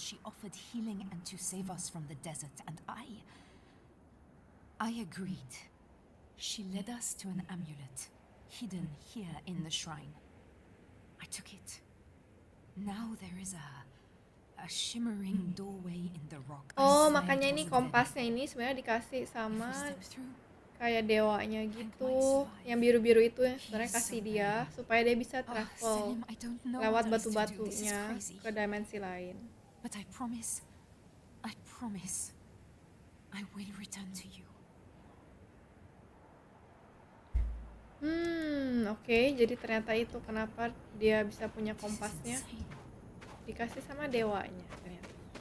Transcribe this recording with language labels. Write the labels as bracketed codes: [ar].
[en] She offered healing and to save us from the desert. And I agreed. She led us to an amulet, hidden here in the shrine. I took it. Now there is a shimmering doorway in the rock. [id] Oh, makanya ini kompasnya ini sebenarnya dikasih sama kayak dewanya gitu, yang biru-biru itu yang sebenarnya kasih dia supaya dia bisa travel lewat batu-batunya ke dimensi lain. [en] But I promise I will return to you. [id] Oke, jadi ternyata itu kenapa dia bisa punya kompasnya dikasih sama dewanya ternyata.